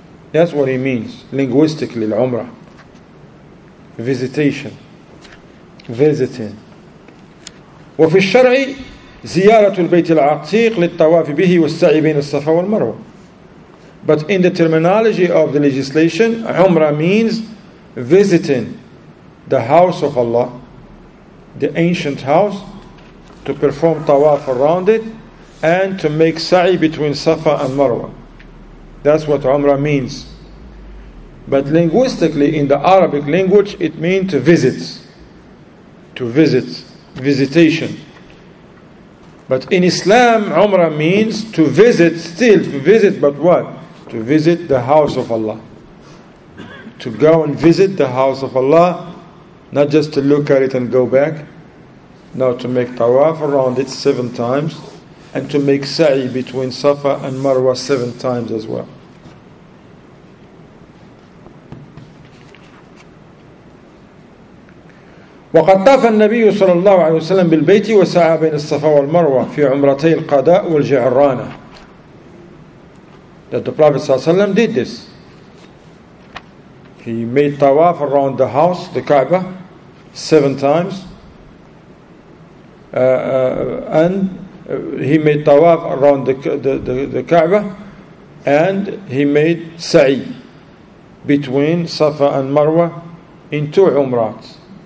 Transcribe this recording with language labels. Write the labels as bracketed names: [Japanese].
[English] that's what it means linguistically العمرة visitation visiting [Arabic] وفي الشرع زيارة البيت العتيق للطواف به والسعي بين الصفا والمروة [English] but in the terminology of the legislation عمرة means visiting the house of Allah the ancient house to perform tawaf around it and to make sa'i between Safa and Marwa That's what Umrah means. But linguistically, in the Arabic language, it means to visit. To visit. Visitation. But in Islam, Umrah means to visit, still to visit, but what? To visit the house of Allah. To go and visit the house of Allah, not just to look at it and go back. No, to make tawaf around it 7 times, and to make sa'i between Safa and Marwa 7 times as well. [Arabic] وقد طاف النبي صلى الله عليه وسلم بالبيت وسعى بين الصفا والمروة في عمرتي القضاء والجعرانة. [English] That the Prophet [Arabic] صلى الله عليه وسلم [English] did this. He made tawaf around the house, the Kaaba, 7 times. And he made tawaf around the Kaaba, and he made sa'i between Safa and Marwa in 2 umrat.